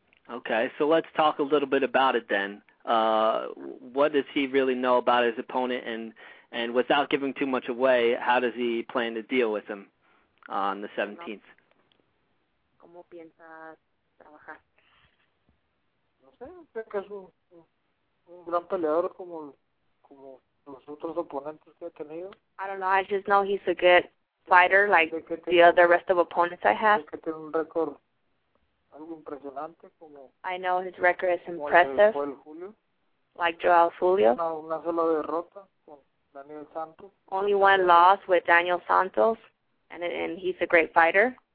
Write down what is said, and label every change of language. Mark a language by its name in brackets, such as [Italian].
[English] Okay, so let's talk a little bit about it then. What does he really know about his opponent? And without giving too much away, how does he plan to deal with him on the 17th? [Spanish] ¿Cómo piensa trabajar? Creo que es un gran peleador como los otros oponentes que ha tenido. [English] I don't know, I just know he's a good fighter like the other rest of opponents I have. [Spanish] Que tiene un récord algo impresionante como... [English] I know his record is impressive. [Spanish] Como el Julio. [English] Like Joel Julio. [Spanish] Una sola derrota con Daniel Santos. [English] Only one loss with Daniel Santos, and he's a great fighter.